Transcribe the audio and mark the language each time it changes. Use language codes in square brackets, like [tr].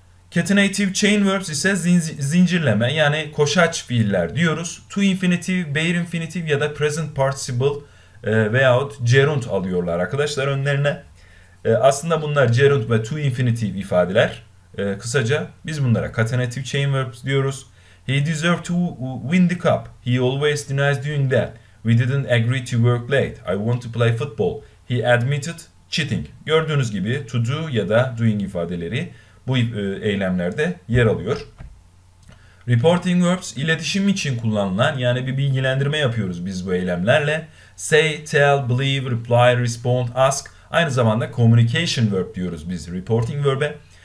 [tr] Catenative chain verbs ise zincirleme yani koşaç fiiller diyoruz. To infinitive, bare infinitive ya da present participle veyahut gerund alıyorlar arkadaşlar önlerine. Aslında bunlar gerund ve to infinitive ifadeler. Kısaca biz bunlara catenative chain verbs diyoruz. [en] He deserved to win the cup. He always denies doing that. We didn't agree to work late. I want to play football. He admitted cheating. [tr] Gördüğünüz gibi to do ya da doing ifadeleri bu eylemlerde yer alıyor. Reporting verbs iletişim için kullanılan yani bir bilgilendirme yapıyoruz biz bu eylemlerle. Say, tell, believe, reply, respond, ask. Aynı zamanda communication verb diyoruz biz reporting verb'e.